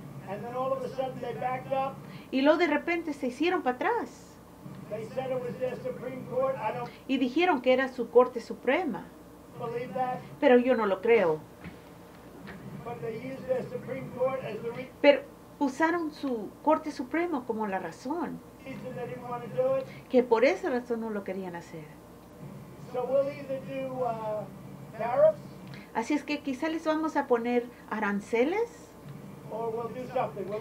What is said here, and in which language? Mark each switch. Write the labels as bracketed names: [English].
[English] And then all of a sudden they backed up. [Spanish] Y luego de repente se hicieron para atrás. [English] They said it was their Supreme Court. I don't. [Spanish] Y dijeron que era su Corte Suprema. [English] Believe that. [Spanish] Pero yo no lo creo. [English] But they used their Supreme Court as the [Spanish] pero usaron su Corte Suprema como la razón. [English] Reason they didn't want to do it. [Spanish] Que por esa razón no lo querían hacer. [English] So we'll either do, tariffs. [Spanish] Así es que quizá les vamos a poner aranceles. [English] Or we'll do something.